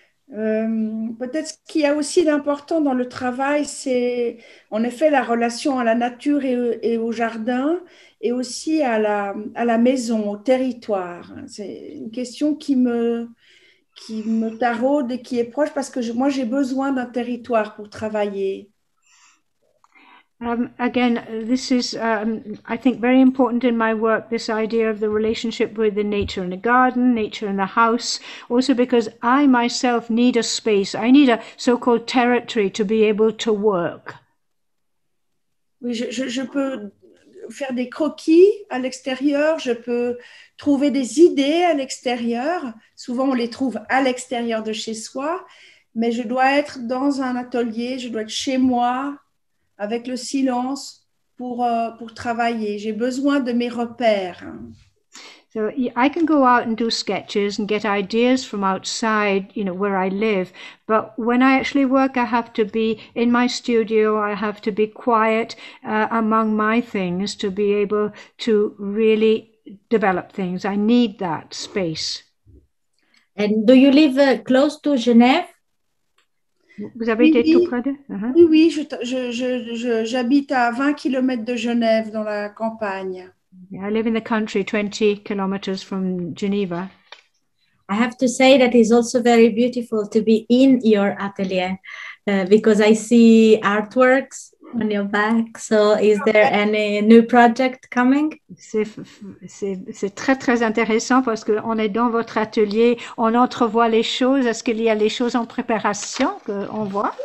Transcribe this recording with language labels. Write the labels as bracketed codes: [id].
[fr] Peut-être ce qu'il y a aussi d'important dans le travail, c'est en effet la relation à la nature et au jardin, et aussi à la maison, au territoire. C'est une question qui me taraude et qui est proche parce que moi j'ai besoin d'un territoire pour travailler. [en] Again, this is, I think, very important in my work, this idea of the relationship with the nature in the garden, nature in the house, also because I myself need a space, I need a so-called territory to be able to work. [fr] Oui, je peux faire des croquis à l'extérieur, je peux trouver des idées à l'extérieur, souvent on les trouve à l'extérieur de chez soi, mais je dois être dans un atelier, je dois être chez moi, avec le silence pour travailler. J'ai besoin de mes repères. [en] So I can go out and do sketches and get ideas from outside, you know, where I live. But when I actually work, I have to be in my studio. I have to be quiet among my things to be able to really develop things. I need that space. And do you live close to Genève? [fr] Vous avez été tout près de... Oui, oui, j'habite à 20 km de Genève, dans la campagne. [en] I live in the country, 20 kilometers from Geneva. I have to say that it's also very beautiful to be in your atelier, because I see artworks on your back. So is there any new project coming? [fr] C'est très, très intéressant parce qu'on est dans votre atelier, on entrevoit les choses. Est-ce qu'il y a les choses en préparation qu'on voit?